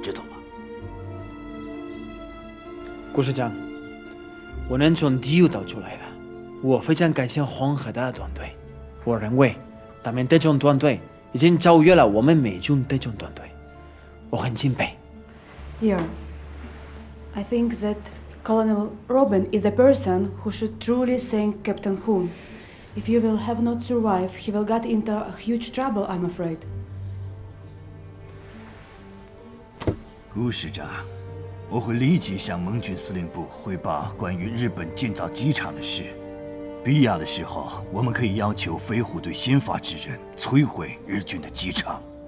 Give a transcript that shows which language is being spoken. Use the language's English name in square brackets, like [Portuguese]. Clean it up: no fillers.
[Chinese] 知道吗，故事长？我能从第一岛出来的，我非常感谢黄河大团队。我认为，他们特种团队已经超越了我们美军特种团队，我很敬佩。 [English] Dear, I think that Colonel Robin is a person who should truly thank Captain Hoon. If you will have not survived, he will get into a huge trouble, I'm afraid. [Chinese] 顾师长，我会立即向盟军司令部汇报关于日本建造机场的事。必要的时候，我们可以要求飞虎队先发制人，摧毁日军的机场。